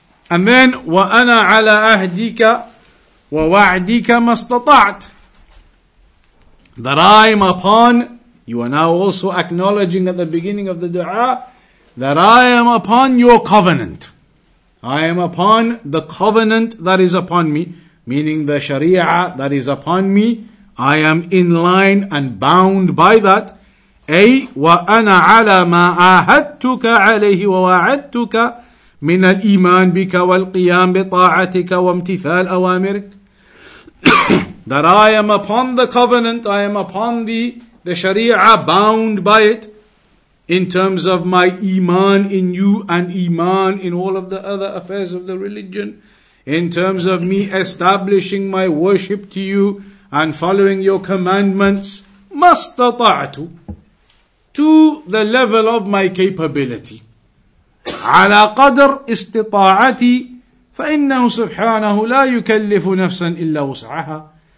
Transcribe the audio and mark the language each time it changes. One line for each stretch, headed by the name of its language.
English: And then,
Arabic: وَأَنَا عَلَىٰ أَهْدِكَ وَوَعْدِكَ مَا اسْتَطَعْتَ,
English: that I am upon, you are now also acknowledging at the beginning of the dua, that I am upon your covenant. I am upon the covenant that is upon me, meaning the sharia that is upon me, I am in line and bound by that.
Arabic: أي وأنا على ما عاهدتك عليه ووعدتك من الإيمان بك والقيام بطاعتك وامتثال أوامرك.
English: That I am upon the covenant, I am upon the sharia, bound by it, in terms of my iman in you and iman in all of the other affairs of the religion, in terms of me establishing my worship to you and following your commandments,
Arabic: مستطعت,
English: to the level of my capability.
Arabic: على قدر استطاعتي فإنه سبحانه لا يكلف نفسا إلا وسعها.